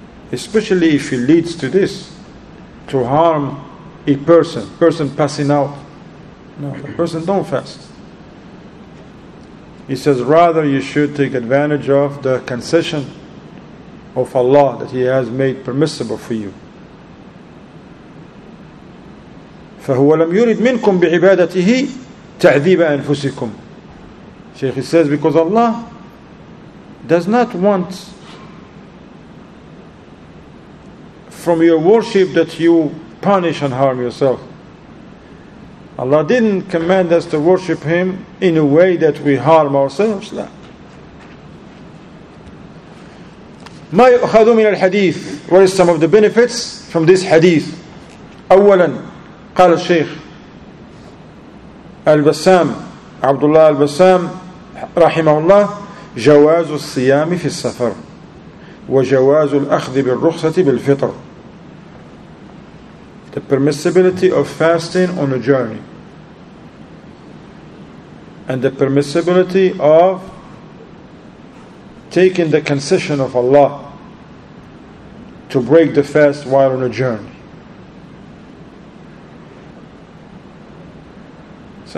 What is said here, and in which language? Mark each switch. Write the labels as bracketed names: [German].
[English] Especially if it leads to this, to harm a person passing out. No, a person don't fast. He says, rather you should take advantage of the concession of Allah that He has made permissible for you. [Arabic] فهو لم يريد منكم بعبادته تعذيب أنفسكم. [English] Sheikh says, because Allah does not want from your worship that you punish and harm yourself. Allah didn't command us to worship Him in a way that we harm ourselves. [Arabic] لا. ما يؤخذ من الحديث, [English] what is some of the benefits from this hadith? [Arabic] أولا, قال الشيخ البسام عبد الله البسام رحمه الله, جواز الصيام في السفر وجواز الأخذ بالرخصة بالفطر. [English] The permissibility of fasting on a journey and the permissibility of taking the concession of Allah to break the fast while on a journey. So